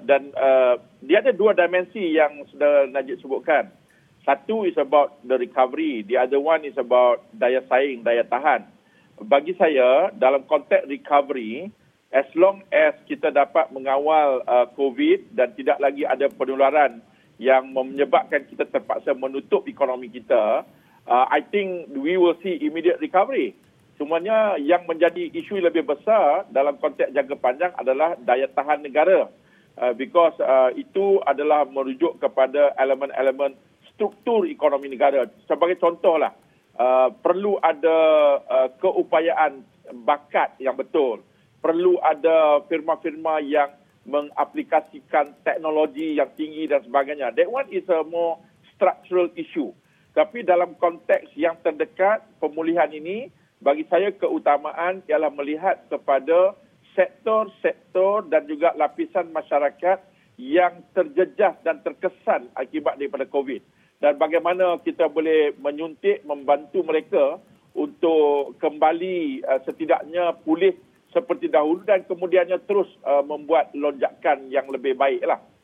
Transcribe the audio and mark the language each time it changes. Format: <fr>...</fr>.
<ms>Dan dia ada dua dimensi yang sudah Najib sebutkan. Satu</ms> <en>is about the recovery. The other one is about</en> <ms>daya saing, daya tahan. Bagi saya, dalam konteks recovery,</ms> <en>as long as</en> <ms>kita dapat mengawal COVID dan tidak lagi ada penularan yang menyebabkan kita terpaksa menutup ekonomi kita,</ms> <en>I think we will see immediate recovery.</en> <ms>Cumanya yang menjadi isu lebih besar dalam konteks jangka panjang adalah daya tahan negara.</ms> <en>Because</en> <ms>itu adalah merujuk kepada elemen-elemen struktur ekonomi negara. Sebagai contohlah, perlu ada keupayaan bakat yang betul. Perlu ada firma-firma yang mengaplikasikan teknologi yang tinggi dan sebagainya.</ms> <en>That one is a more structural issue.</en> <ms>Tapi dalam konteks yang terdekat pemulihan ini, bagi saya keutamaan ialah melihat kepada sektor-sektor dan juga lapisan masyarakat yang terjejas dan terkesan akibat daripada COVID. Dan bagaimana kita boleh menyuntik, membantu mereka untuk kembali setidaknya pulih seperti dahulu dan kemudiannya terus membuat lonjakan yang lebih baiklah.</ms>